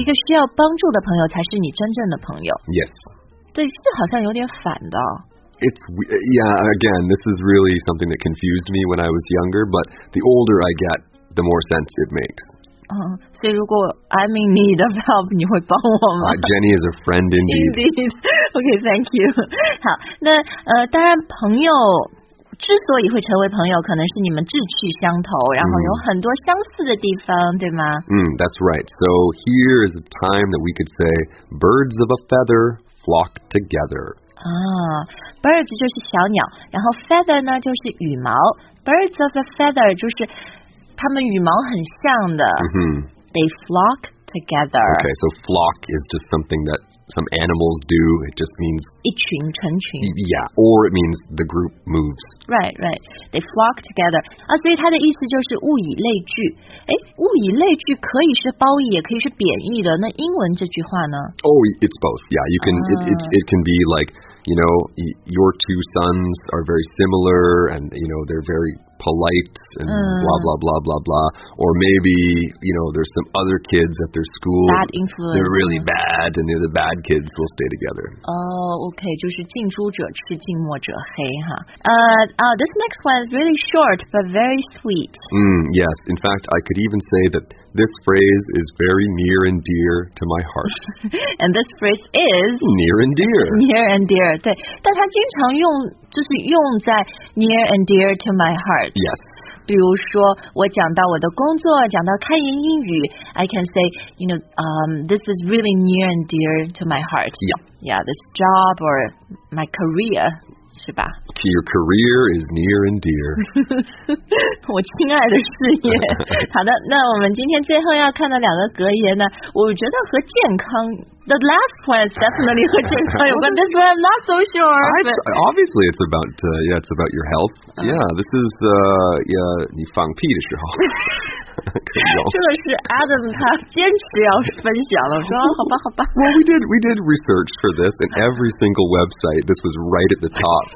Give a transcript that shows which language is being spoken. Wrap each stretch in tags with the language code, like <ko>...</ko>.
<zh>一个需要帮助的朋友才是你真正的朋友。</zh> <en>Yes.</en> <zh>对，这好像有点反的、哦。</zh> <en>It's, yeah, again, this is really something that confused me when I was younger, but the older I get, the more sense it makes. So if I'm in need of help, you will help me? Jenny is a friend indeed. Indeed. Okay, thank you.</en> <zh>好，那当然朋友之所以会成为朋友，可能是你们志趣相投，然后有很多相似的地方，对吗？</zh> <en>That's right. So here is a time that we could say, birds of a feather flock together.</en> <zh>Birds 就是小鸟，然后 feather 呢就是羽毛。</zh> <en>Birds of a feather</en> <zh>就是它们羽毛很像的。</zh> <en>Mm-hmm. They flock together. Okay, so flock is just something that some animals do. It just means</en> <zh>一群成群。</zh> <en>Yeah, or it means the group moves. Right, right. They flock together.</en> <zh>所以它的意思就是物以类聚。物以类聚可以是褒义，也可以是贬义的。那英文这句话呢？</zh> <en>Oh, it's both. Yeah, you can,it can be like... You know, your two sons are very similar and, you know, they're very polite and blah, blah, blah, blah, blah. Or maybe, you know, there's some other kids at their school. Bad influence. They're really bad and they're the bad kids will stay together. Oh, okay.</en> <zh>就是近朱者赤近墨者黑哈。</zh> <en>This next one is really short, but very sweet. Yes. In fact, I could even say that this phrase is very near and dear to my heart. And this phrase is... Near and dear.</en> <zh>Near and dear. 对，但它经常用，就是用在</zh> <en>near and dear to my heart. Yes.</en> <zh>比如说，我讲到我的工作，讲到开言英语</zh> <en>，I can say, you know, this is really near and dear to my heart. Yeah. Yeah, this job or my career, 是吧？To your career is near and dear.</en> <zh>我亲爱的事业。好的，那我们今天最后要看的两个格言呢，我觉得和健康。</zh> <en>The last one is definitely with</en> <zh>健康有关</zh> <en>This one I'm not so sure. Obviously, it's about, yeah, it's about your health. Yeah, this is, yeah,</en> <zh>你放屁的时候。这个是 Adam 他坚持要分享了，说好吧好吧。</zh> <en>Well, we did research for this, and every single website, this was right at the top.</en>